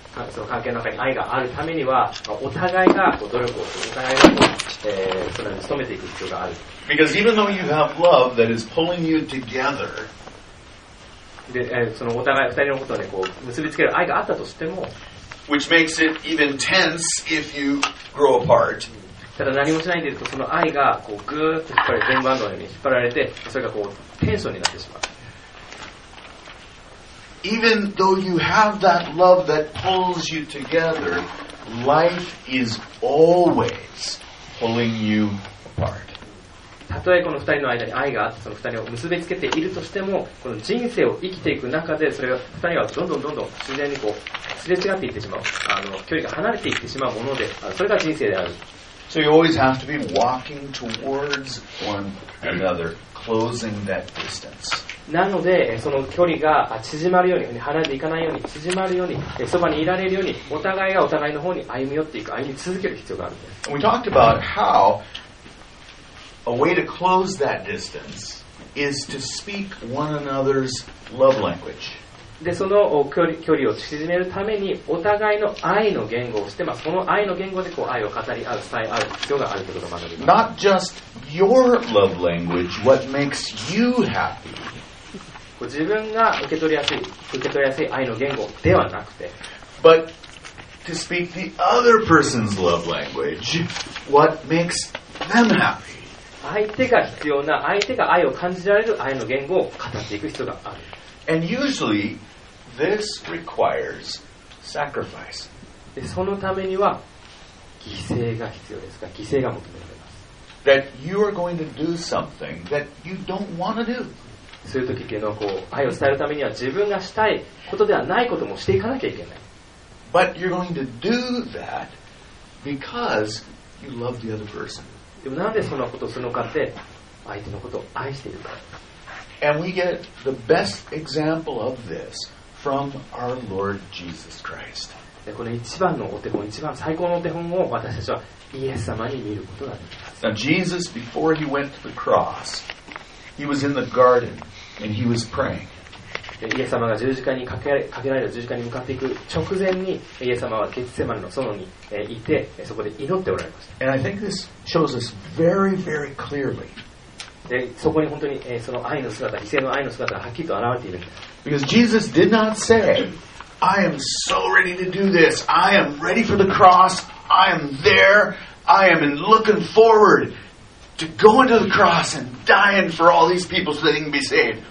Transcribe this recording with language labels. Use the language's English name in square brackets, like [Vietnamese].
[Japanese] その関係の中に愛があるためには、お互いが努力を、お互いが、それに努めていく必要がある。 [English] Because even though you have love that is pulling you together, [Japanese] で、そのお互い二人のことをね、こう結びつける愛があったとしても、 [English] which makes it even tense if you grow apart。 [Japanese] ただ何もしないでいると、その愛がこうぐーっと引っ張られて、天板のように引っ張られて、それがこうテンションになってしまう。 [English] Even though you have that love that pulls you together, life is always pulling you apart. [Japanese] たとえこの二人の間に愛があって、その二人を結びつけているとしても、この人生を生きていく中で、それが二人はどんどんどんどん自然にこうすれ違っていってしまう、距離が離れていってしまうもので、それが人生である。 [English] So you always have to be walking towards one another, closing that distance. [Japanese] なのでその距離が縮まるように離れていかないように縮まるようにそばにいられるようにお互いがお互いの方に歩み寄っていく歩み続ける必要があるんです [English] We talked about how a way to close that distance is to speak one another's love language [Japanese] でその距離を縮めるためにお互いの愛の言語をして、まあ、その愛の言語でこう愛を語り合う伝え合う必要があるということを学びます [English] Not just your love language what makes you happy [Japanese] 自分が受け取りやすい愛の言語ではなくて [English] But to speak the other person's love language what makes them happy [Japanese] 相手が必要な相手が愛を感じられる愛の言語を語っていく必要がある [English] And usually this requires sacrifice [Japanese] でそのためには犠牲が必要ですか犠牲が求められます [English] That you are going to do something that you don't want to do [Japanese] そういう時けどこう愛を伝えるためには自分がしたいことではないこともしていかなきゃいけない。 [English] But you're going to do that because you love the other person. [Japanese] でもなんでそんなことをするのかって相手のことを愛しているから。 [English] And we get the best example of this from our Lord Jesus Christ. [Japanese] でこの一番のお手本、一番最高のお手本を私たちはイエス様に見ることができます。 [English] Now Jesus before he went to the cross. He was in the garden and he was praying. [Japanese] イエス様が十字架にかけられた十字架に向かっていく直前にイエス様はゲッセマネの園にいてそこで祈っておられました。 [English] And I think this shows us very, very clearly. [Japanese] で、そこに本当にその愛の姿、犠牲の愛の姿がはっきりと現れているんです。 [English] Because Jesus did not say, I am so ready to do this. I am ready for the cross. I am there. I am looking forward. To go into the cross and dying for all these people so they can be saved.